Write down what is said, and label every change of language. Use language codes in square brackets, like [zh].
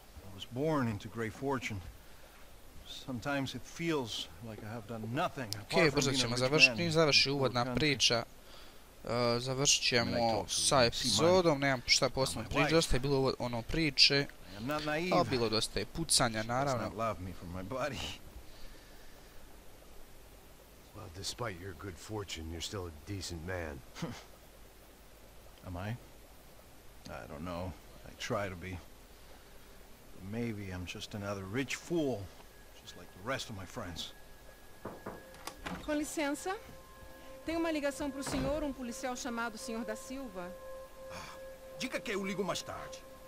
[en] I was born into great fortune. Sometimes it feels like I have done nothing. [bs] Okay, brzo ćemo završiti, završi uvodna priča. Završit ćemo sa epizodom, nemam šta posebno priče, dosta je bilo ono priče. Ali bilo dosta je pucanja, naravno. [en] Well, despite your good fortune, you're still a decent man. Am I? I don't know. I try to be. Maybe I'm just another rich fool. Like the rest of my friends. [pt] Com licença. Tem uma ligação para o senhor, um policial chamado Senhor da Silva. Ah, diga que eu ligo mais tarde.